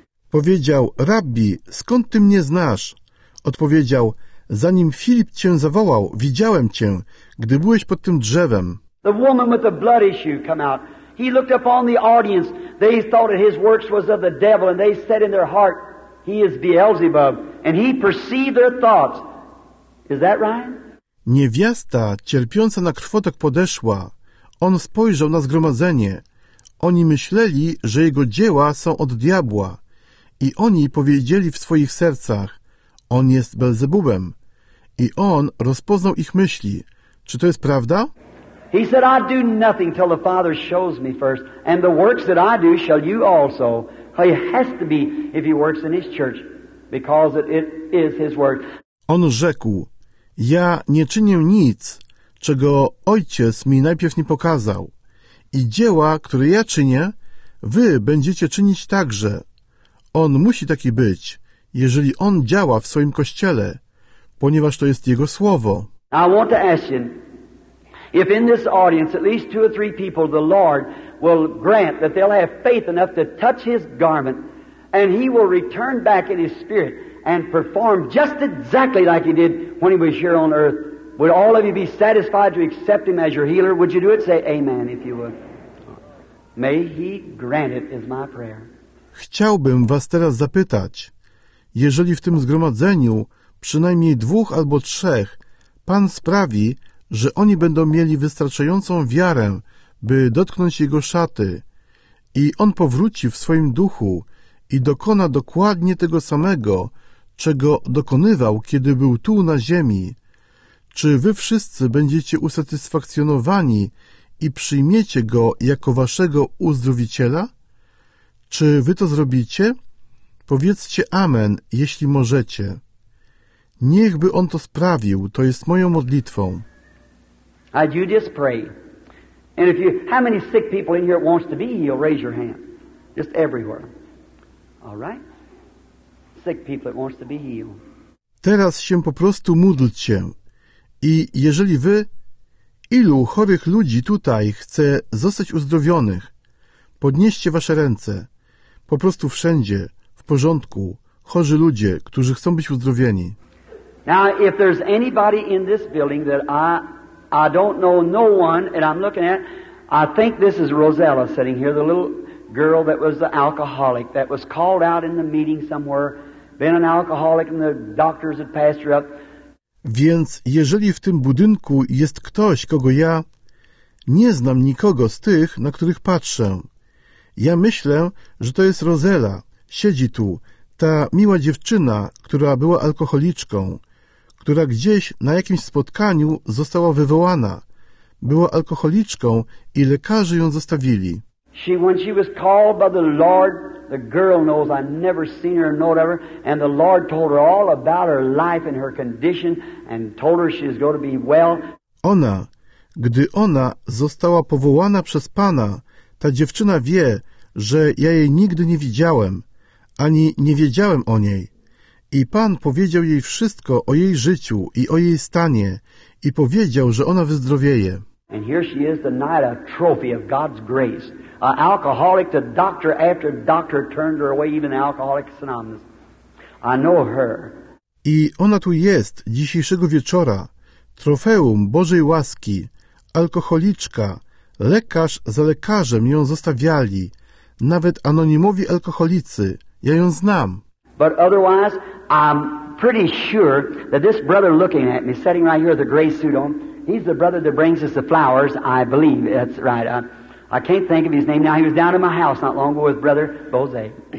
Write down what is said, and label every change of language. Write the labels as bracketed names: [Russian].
[Polish] Powiedział, rabbi, skąd ty mnie znasz? Odpowiedział, zanim Filip cię zawołał, widziałem cię, gdy byłeś pod tym drzewem. [English] The woman with the blood issue come out. He looked upon the audience. They thought that his works was of the devil, and they said in their heart, he is Beelzebub, and he perceived their thoughts. Is that right? [Polish] Niewiasta cierpiąca na krwotok podeszła. On spojrzał na zgromadzenie. Oni myśleli, że jego dzieła są od diabła. I oni powiedzieli w swoich sercach, on jest Belzebubem. I on rozpoznał ich myśli. Czy to jest prawda? [English] He said, I do nothing till the Father shows me first, and the works that I do shall you also. It has to be if He works in His church, because it is His work. [Polish] On rzekł, ja nie czynię nic, czego Ojciec mi najpierw nie pokazał. I dzieła, które ja czynię, wy będziecie czynić także. On musi taki być, jeżeli On działa w swoim Kościele, ponieważ to jest Jego Słowo. [English] I want to ask you, if in this audience at least two or three people the Lord will grant that they'll have faith enough to touch His garment and He will return back in His spirit and perform just exactly like He did when He was here on earth, would all of you be satisfied to accept Him as your healer? Would you do it? Say amen if you would. May He grant it is my prayer. [Polish] Chciałbym was teraz zapytać, jeżeli w tym zgromadzeniu przynajmniej dwóch albo trzech Pan sprawi, że oni będą mieli wystarczającą wiarę, by dotknąć Jego szaty i On powróci w swoim duchu i dokona dokładnie tego samego, czego dokonywał, kiedy był tu na ziemi. Czy wy wszyscy będziecie usatysfakcjonowani i przyjmiecie Go jako waszego uzdrowiciela? Czy wy to zrobicie? Powiedzcie amen, jeśli możecie. Niechby On to sprawił, to jest moją modlitwą. [English] I do just pray. And if you, how many sick people in here wants to be healed, raise your hand. Just everywhere. All right? Sick people that wants to be healed. [Polish] Teraz się po prostu módlcie. I jeżeli wy, ilu chorych ludzi tutaj chce zostać uzdrowionych, podnieście wasze ręce. Po prostu wszędzie, w porządku, chorzy ludzie, którzy chcą być uzdrowieni. [English] Now, if there's anybody in this building that I don't know no one, and I'm looking at, I think this is Rosella sitting here, the little girl that was the alcoholic that was called out in the meeting somewhere been an alcoholic and the doctors had passed her up. [Polish] Więc jeżeli w tym budynku jest ktoś, kogo ja nie znam nikogo z tych, na których patrzę. Ja myślę, że to jest Rozela. Siedzi tu ta miła dziewczyna, która była alkoholiczką, która gdzieś na jakimś spotkaniu została wywołana. Była alkoholiczką i lekarze ją zostawili. [English] She, when she was called by the Lord, the girl knows I never seen her nor ever, and the Lord told her all about her life and her condition and told her she's going to be well. [Polish] Ona, gdy ona została powołana przez Pana, ta dziewczyna wie, że ja jej nigdy nie widziałem, ani nie wiedziałem o niej. I Pan powiedział jej wszystko o jej życiu i o jej stanie i powiedział, że ona wyzdrowieje. [English] And here she is tonight, a trophy of God's grace. An alcoholic, the doctor after doctor turned her away, even Alcoholics Anonymous. I know her. [Polish] I ona tu jest dzisiejszego wieczora. Trofeum Bożej łaski. Alkoholiczka. Lekarz za lekarzem ją zostawiali. Nawet anonimowi alkoholicy. Ja ją znam. [English] But otherwise, I'm pretty sure that this brother looking at me, sitting right here with the gray suit on, he's the brother that brings us the flowers, I believe. That's right. I can't think of his name now. He was down in my house not long ago with brother Bose.